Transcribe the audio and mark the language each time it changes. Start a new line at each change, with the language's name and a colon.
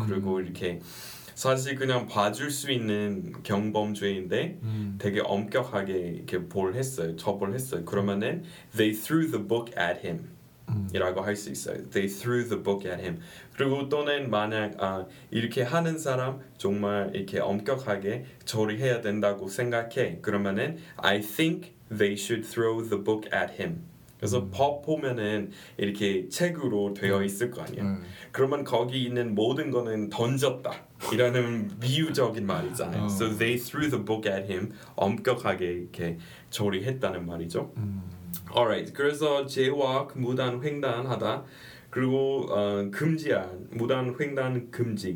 Korean: 그리고 이렇게 사실 그냥 봐줄 수 있는 경범죄인데 되게 엄격하게 이렇게 벌했어요. 처벌했어요. 그러면은
English: they threw the book at him.
Korean: 이라고 할 수 있어요.
English: They threw the book at him.
Korean: 그리고 또는 만약 이렇게 하는 사람 정말 이렇게 엄격하게 처리해야 된다고 생각해. 그러면은
English: I think they should throw the book at him.
Korean: 그래서 법 보면은 이렇게 책으로 되어 있을 거 아니에요. 그러면 거기 있는 모든 거는 던졌다. 이라는 비유적인 말이잖아요.
English: So they threw the book at him.
Korean: 엄격하게 이렇게 처리했다는 말이죠.
English: Alright,
Korean: 그래서 제왁, 무단 횡단하다, 그리고 금지한, 무단 횡단 금지.